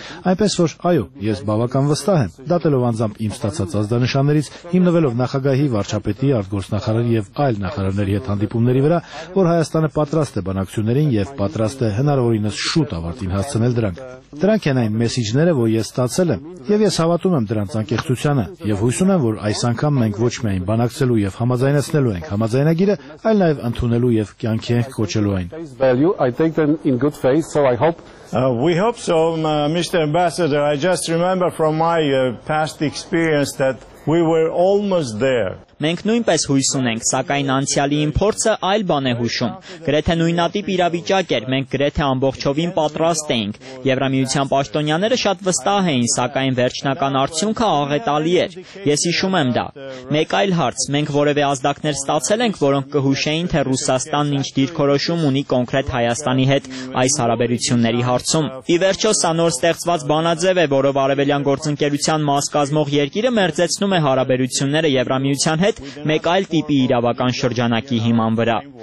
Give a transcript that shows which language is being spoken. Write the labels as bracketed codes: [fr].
[hy] Այնպես որ, այո, ես բավական վստահ եմ, դատելով անձամբ իմ ստացած ազդանշաններից, հիմնվելով նախագահի, վարչապետի, արտգործնախարարի և այլ նախարարների հետ հանդիպումների վրա, որ Հայաստանը պատրաստ է բանակցություններին և պատրաստ է հնարավորինս շուտ ավարտին հասցնել դրանք։ Դրանք են այն մեսիջները, որ ես ստացել եմ, և ես հավատում եմ դրանց անկեղծությանը, և հույս ունեմ, որ այս անգամ մենք ոչ միայն բանակցելու և համաձայնեցնելու ենք համաձայնագիրը, այլ նաև ընդունելու և կյանքի ենք կոչելու այն։ [en] We hope so, Mr. Ambassador. I just remember from my past experience that we were almost there. [hy] Մենք նույնպես հույս ունենք, սակայն անցյալի իմ փորձը այլ բան է հուշում։ Գրեթե նույնատիպ իրավիճակ էր, մենք գրեթե ամբողջովին պատրաստ էինք։ Եվրամիության պաշտոնյաները շատ վստահ էին, սակայն վերջնական արդյունքը աղետալի էր։ Ես հիշում եմ դա։ Մեկ այլ հարց, մենք որևէ ազդակներ ստացել ենք, որոնք կհուշեին, թե Ռուսաստանն ինչ դիրքորոշում ունի կոնկրետ Հայաստանի հետ այս հարաբերությունների հարցում։ Ի վերջո, սա նոր ստեղծված բանաձև է, որով արևելյան գործընկերության մաս կազմող երկիրը մերձեցնում է հարաբերությունները Եվրամիության հետ մեկ այլ տիպի իրավական շրջանակի հիման վրա։